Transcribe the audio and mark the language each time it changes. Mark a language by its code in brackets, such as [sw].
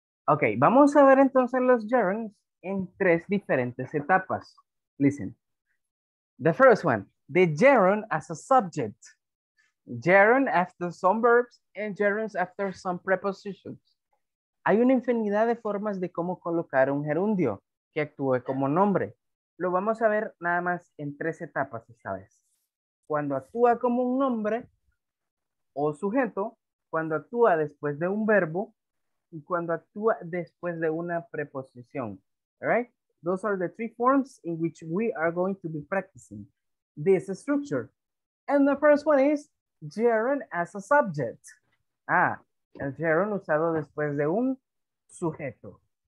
[es] Okay, vamos a ver entonces los gerunds en tres diferentes etapas. [en] Listen. The first one, the gerund as a subject. Gerund after some verbs and gerunds after some prepositions. [es] Hay una infinidad de formas de cómo colocar un gerundio que actúe como nombre. Lo vamos a ver nada más en tres etapas esta vez. Cuando actúa como un nombre o sujeto, cuando actúa después de un verbo y cuando actúa después de una preposición. [en] All right? Those are the three forms in which we are going to be practicing this structure. And the first one is gerund as a subject. [es] Ah, el gerund usado después de un sujeto.